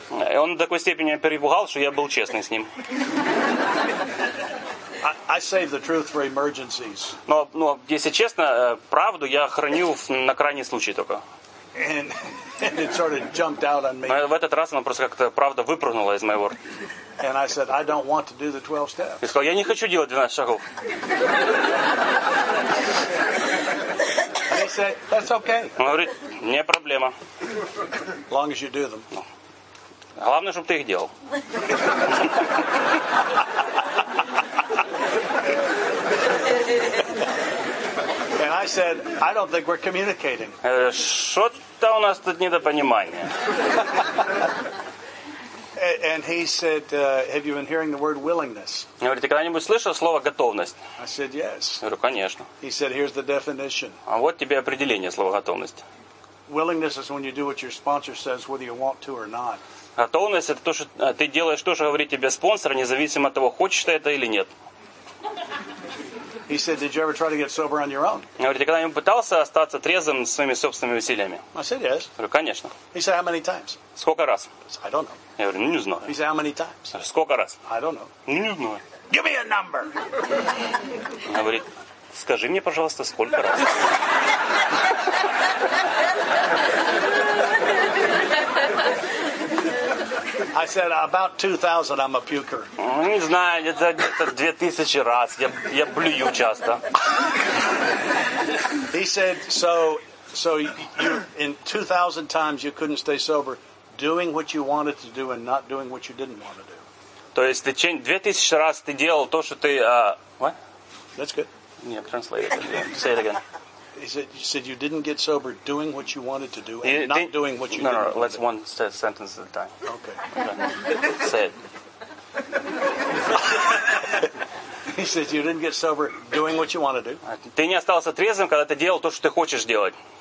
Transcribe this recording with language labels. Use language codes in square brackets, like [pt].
[ru] И он до такой степени меня перепугал, что я был честный с ним. [en] I save the truth for emergencies. [ru] Но если честно, правду я храню на крайний случай только. [en] And it sort of jumped out on me. [ru] В этот раз оно просто как-то правда выпрыгнуло из моего рта. [en] And I said, I don't want to do the 12 steps. [ru] И сказал, я не хочу делать 12 шагов. [en] And he said, that's okay. [ru] Он говорит, не проблема. [en] As long as you do them. [ru] Главное, чтобы ты их делал. [en] I said, I don't think we're communicating. [ru] Что-то у нас тут недопонимание. [en] And he said, have you been hearing the word willingness? [ru] Говорит, ты когда-нибудь слышал слово готовность? [en] I said, yes. [ru] Говорю, конечно. [en] He said, here's the definition. [ru] А вот тебе определение слова готовность. [en] Willingness is when you do what your sponsor says, whether you want to or not. [ru] Готовность это то, что ты делаешь то, что говорит тебе спонсор, независимо от того, хочешь ты это или нет. [en] He said, "Did you ever try to get sober on your own?" [ru] Говорит, ты когда-нибудь пытался остаться трезвым своими собственными усилиями? [en] I said, "Yes." [ru] Говорю, конечно. [en] He said, "How many times?" [ru] Сколько раз? [en] I don't know. [ru] Я говорю, не знаю. [en] He said, "How many times?" [ru] Сколько раз? [en] I don't know. [ru] Не знаю. [en] Give me a number. [ru] Говорит, скажи мне, пожалуйста, сколько раз. [en] I said about 2,000. I'm a puker. [ru] Не знаю, где-то 2,000 раз. Я блюю часто. [en] He said so you in 2,000 times you couldn't stay sober, doing what you wanted to do and not doing what you didn't want to do. [ru] То есть ты 2,000 раз ты делал то, что ты what? [en] That's good. Yeah, translate it. Again. Say it again. He said you didn't get sober doing what you wanted to do and not doing what you No, let's one sentence at a time. Okay. Say it. He said you didn't get sober doing what you want to do. [ru] Ты не остался трезвым, когда ты делал то, что ты хочешь делать.